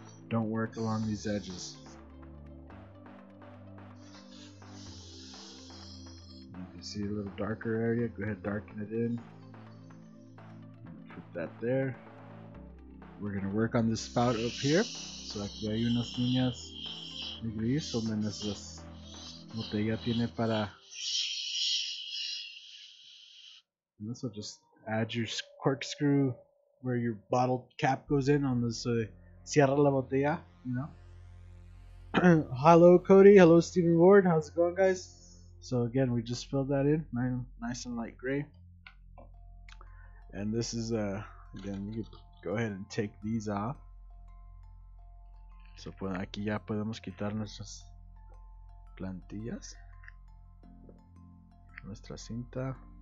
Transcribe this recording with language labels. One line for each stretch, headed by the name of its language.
English: Don't work along these edges. If you see a little darker area, go ahead and darken it in. Put that there. We're going to work on this spout up here.
Spanish: So aquí hay unas líneas negras donde necesitas. Botella tiene para.
English: And this will just add your corkscrew where your bottle cap goes in on this.
Spanish: Cierra la botella,
English: you know. Hello, Cody. Hello, Stephen Ward. How's it going, guys? So, again, we just filled that in. Nice and light gray. And this is, again, you can go ahead and take these off.
Spanish: So, aquí ya podemos quitar nuestras plantillas, nuestra cinta.